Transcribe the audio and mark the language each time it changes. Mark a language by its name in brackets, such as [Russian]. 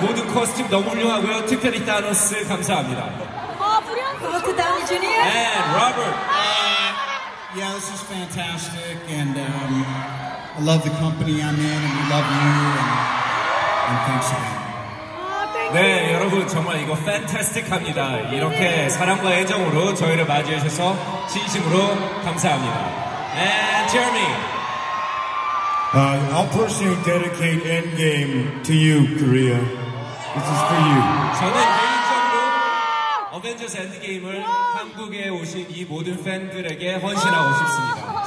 [Korean] 모든 코스튬 너무 훌륭하고요. 특별히 타노스 감사합니다. 아, 브리언트 다우니 주니어. [English] And Robert. Yeah, this is fantastic. And I love the company I'm in, and we love you. And thanks again. Ah, thank you. [Korean] 네, 여러분 정말 이거 fantastic합니다. 이렇게 사랑과 애정으로 저희를 맞이해주셔서 진심으로 감사합니다. [English] And Jeremy. I'll personally dedicate Endgame to you, Korea. This is for you. [Korean] 저는 개인적으로 어벤져스 엔드게임을 한국에 오신 이 모든 팬들에게 헌신하고 싶습니다.